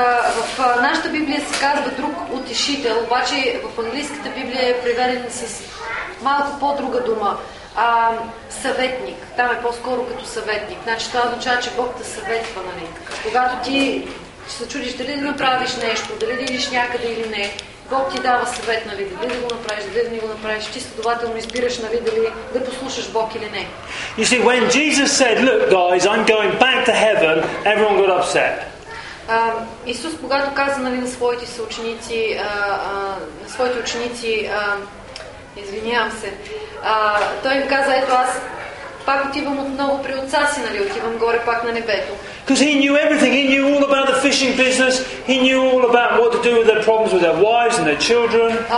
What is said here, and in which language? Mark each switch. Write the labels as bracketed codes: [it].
[bg] В нашата Библия се казва друг утешител, обаче в английската Библия е преведен с малко по-друга дума. Съветник. Там е по-скоро като съветник. Значи това означава, че Бог те съветва, нали? Когато ти се чудиш дали да направиш нещо, дали да идиш някъде или не. Бог ти дава съвет, нали, дали да го направиш, дали да не го направиш, ти следователно избираш, нали, дали да послушаш Бог или не. [en] You see, when Jesus said, look guys, I'm going back to heaven, everyone got upset. [bg] Исус, когато каза, нали, на своите съученици, на своите ученици, извинявам се, той им каза, ето аз пак отивам отново при отца си, нали, отивам горе пак на небето. [en] Because he knew everything. He knew all about the fishing business. He knew all about what to do with their problems with their wives and their children.